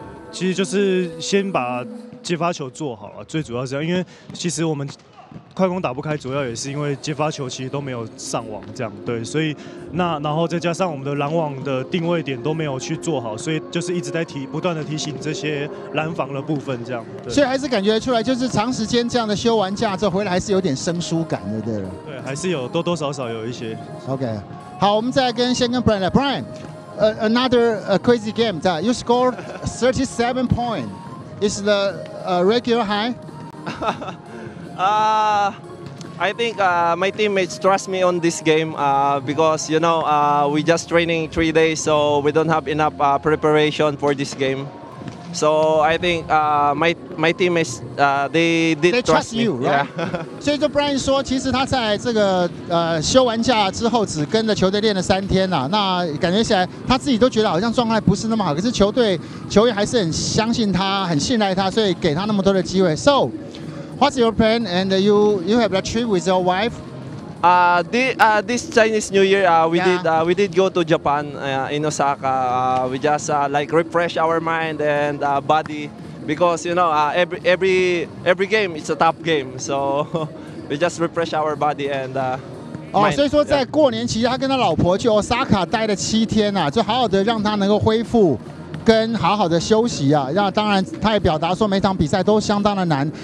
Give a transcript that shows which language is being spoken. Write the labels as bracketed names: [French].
[Chinese] 其实就是先把接发球做好啊，最主要是这样，因为其实我们快攻打不开，主要也是因为接发球其实都没有上网这样，对，所以那然后再加上我们的拦网的定位点都没有去做好，所以就是一直在不断的提醒这些拦防的部分这样，对，所以还是感觉出来就是长时间这样的休完假之后回来还是有点生疏感的，对了，对，还是有多多少少有一些。 OK， 好，我们再先跟 Brian 来。 [English] Brian another crazy game that you scored 37 points is the regular high。 I think my teammates trust me on this game because, you know, we just training 3 days, so we don't have enough preparation for this game. So I think my teammates, they trust me. Right? Yeah. [Chinese] 所以就 Brian 说，其实他在这个休完假之后，只跟着球队练了3天呐、啊。那感觉起来，他自己都觉得好像状态不是那么好，可是球员还是很相信他，很信赖他，所以给他那么多的机会。 [English] So,What's your plan? And you have a trip with your wife? This Chinese New Year, we did go to Japan in Osaka. We just like refresh our mind and body because you know every game is a tough game. So We just refresh our body and. [Chinese] 所以说在过年期间，他跟他老婆去欧沙卡待了7天啊，就好好的让他能够恢复，跟好好的休息啊。那当然，他也表达说每场比赛都相当的难。